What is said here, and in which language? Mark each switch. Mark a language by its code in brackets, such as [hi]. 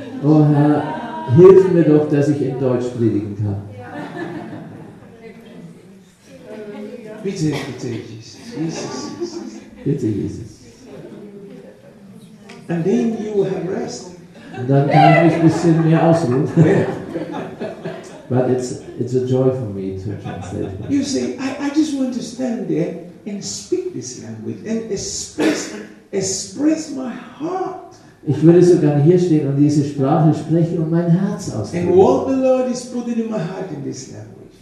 [de] Oh Herr, hilf mir doch, dass ich in Deutsch predigen kann. Bitte, bitte, Jesus. Bitte, Jesus. [en] And then you will have rest. [de] Und dann kann ich mich ein bisschen mehr ausruhen. [en] But it's a joy for me to translate. You see, I just want to stand there and speak this language and express my heart. [de] Ich würde so gerne hier stehen und diese Sprache sprechen und mein Herz ausdrücken. [en] And what the Lord is putting in my heart in this language.